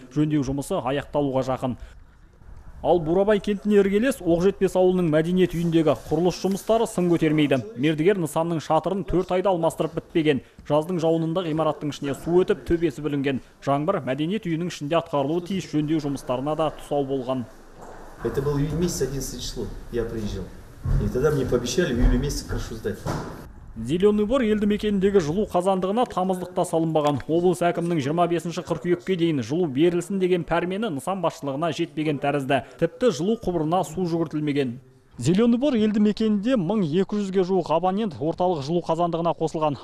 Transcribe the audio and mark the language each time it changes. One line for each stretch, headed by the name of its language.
Kazakh: Жөндеу жұмысы аяқталуға жақын. Ал Бурабай кентіне іргелес Оқжетпес ауылының мәдениет үйіндегі құрылыс жұмыстары сын көтермейді. Мердігер нысанның шатырын 4 айда алмастырып бітпеген. Жаздың жауынында ғимараттың ішіне су өтіп төбесі бүлінген. Жаңбыр мәдениет үйінің ішінде атқарылуы тиіс жөндеу жұмыстарына да тұсау болған.
Russian: Это был июль месяц 11 число. Я приезжал. И тогда мне пообещали в июле месяце крышу сдать.
Kazakh: Зеленый бор елді мекеніндегі жылу қазандығына тамыздықта салынбаған. Облыс әкімінің 25-ші 42-ке дейін жылу берілсін деген пәрмені нысан басшылығына жетпеген тәрізді. Тіпті жылу құбырына су жүгіртілмеген. Зеленый бор елді мекенінде 1200-ге жуық абонент орталық жылу қазандығына қосылған.